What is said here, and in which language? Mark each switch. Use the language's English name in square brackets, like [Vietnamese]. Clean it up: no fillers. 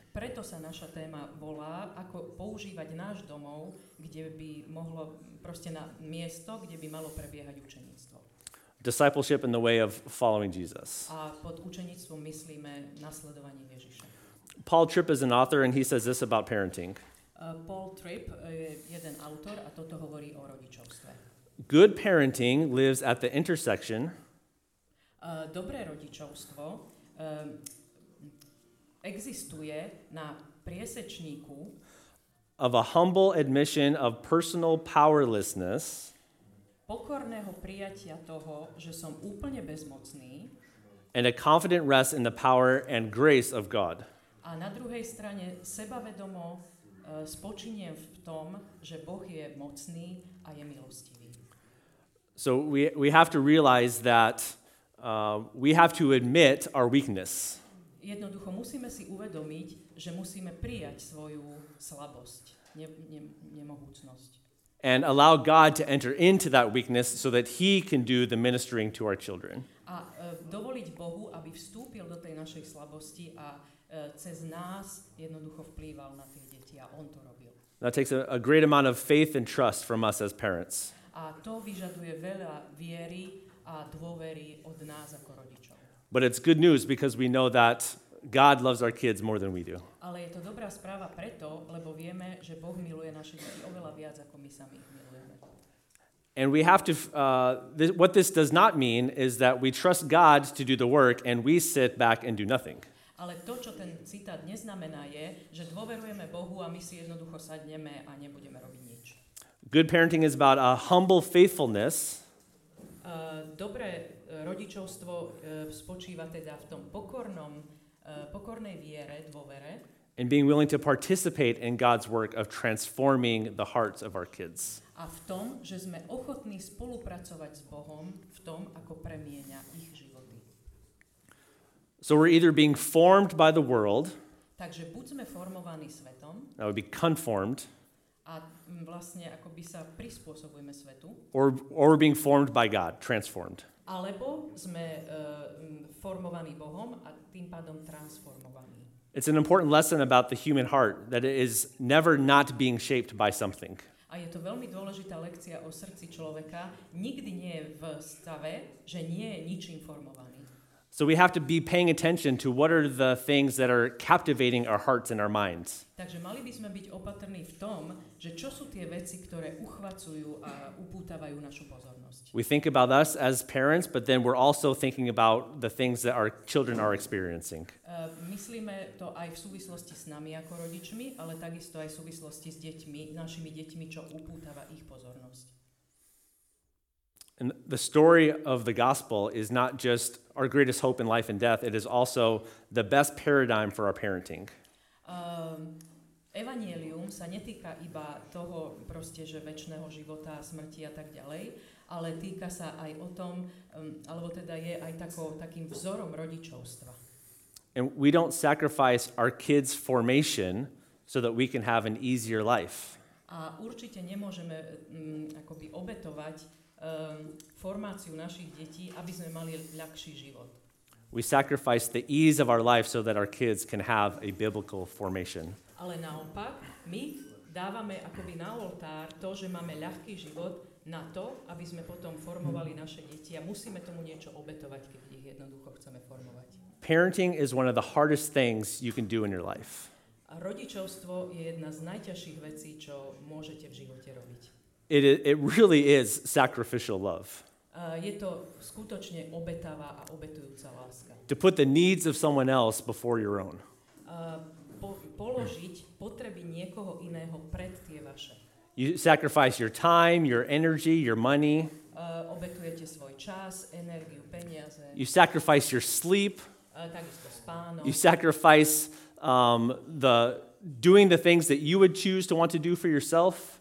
[Slovak] Preto sa naša téma volá, ako používať náš domov, kde by mohlo proste na miesto, kde by malo prebiehať učeníctvo. [English] Discipleship in the way of following Jesus. [Slovak] A pod učeníctvom myslíme nasledovanie Ježiša. [English] Paul Tripp is an author and he says this about parenting. [Slovak] Paul Tripp je jeden autor a toto hovorí o rodičovstve. [English] Good parenting lives at the intersection. [Slovak] Dobré rodičovstvo existuje na priesečníku [English] of a humble admission of personal powerlessness. [Slovak] Pokorného prijatia toho, že som úplne bezmocný. [English] And a confident rest in the power and grace of God. [Slovak] A na druhej strane sebavedomo spočiniem v tom, že Boh je mocný a je milostivý. [English] So we have to realize that we have to admit our weakness. [Slovak] Jednoducho musíme si uvedomiť, že musíme prijať svoju slabosť, nemohúcnosť. [English] And allow God to enter into that weakness so that he can do the ministering to our children. [Slovak] A dovoliť Bohu, aby vstúpil do tej našej slabosti a cez nás jednoducho vplýval na tie deti a on to robil. [English] That takes a great amount of faith and trust from us as parents. [Slovak] A to vyžaduje veľa viery a dôvery od nás ako rodičov. [English] But it's good news because we know that God loves our kids more than we do. [Slovak] Ale je to dobrá správa preto, lebo vieme, že Boh miluje naše deti oveľa viac ako my sami ich milujeme. [English] And we have to what this does not mean is that we trust God to do the work and we sit back and do nothing. [Slovak] Ale to, čo ten citát neznamená je, že dôverujeme Bohu a my si jednoducho sadneme a nebudeme robiť nič. [English] Good parenting is about a humble faithfulness. [Slovak] Dobré rodičovstvo spočíva teda v tom pokornom, pokornej viere, dôvere. [English] And being willing to participate in God's work of transforming the hearts of our kids. [Slovak] A v tom, že sme ochotní spolupracovať s Bohom v tom, ako premieňa ich životy. [English] So we're either being formed by the world. [Slovak] Takže buď sme formovaní svetom. [English] That would be conformed. [Slovak] A vlastne akoby sa prispôsobujeme svetu. [English] Or being formed by God, transformed. [Slovak] Alebo sme formovaní Bohom a tým pádom transformovaní. [English] It's an important lesson about the human heart that it is never not being shaped by something. [Slovak] A je to veľmi dôležitá lekcia o srdci človeka. Nikdy nie je v stave, že nie je ničím formovaný. [English] So we have to be paying attention to what are the things that are captivating our hearts and our minds. [Slovak] Takže mali by sme byť opatrní v tom, že čo sú tie veci, ktoré uchvacujú a upútavajú našu pozornosť. [English] We think about us as parents, but then we're also thinking about the things that our children are experiencing. [Slovak] Myslíme to aj v súvislosti s nami ako rodičmi, ale takisto aj v súvislosti s deťmi, našimi deťmi, čo upútava ich pozornosť. [English] And the story of the gospel is not just our greatest hope in life and death, it is also the best paradigm for our parenting. [Slovak] Evanjelium sa netýka iba toho proste, že večného života, smrti a tak ďalej, ale týka sa aj o tom, alebo teda je aj takým vzorom rodičovstva. [English] And we don't sacrifice our kids' formation so that we can have an easier life. [Slovak] A určite nemôžeme akoby obetovať formáciu našich detí, aby sme mali ľahší život. [English] We sacrifice the ease of our life so that our kids can have a biblical formation. [Slovak] Ale naopak, my dávame akoby na oltár to, že máme ľahký život, na to, aby sme potom formovali naše deti a musíme tomu niečo obetovať, keď ich jednoducho chceme formovať. [English] Parenting is one of the hardest things you can do in your life. [Slovak] A rodičovstvo je jedna z najťažších vecí, čo môžete v živote robiť. [English] It really is sacrificial love. [Slovak] Je to skutočne obetavá a obetujúca láska. [English] To put the needs of someone else before your own. [Slovak] Položiť potreby niekoho iného pred tie vaše. [English] You sacrifice your time, your energy, your money. [Slovak] Obetujete svoj čas, energiu, peniaze. [English] You sacrifice your sleep. [Slovak] Takisto spánok. [English] You sacrifice the doing the things that you would choose to want to do for yourself.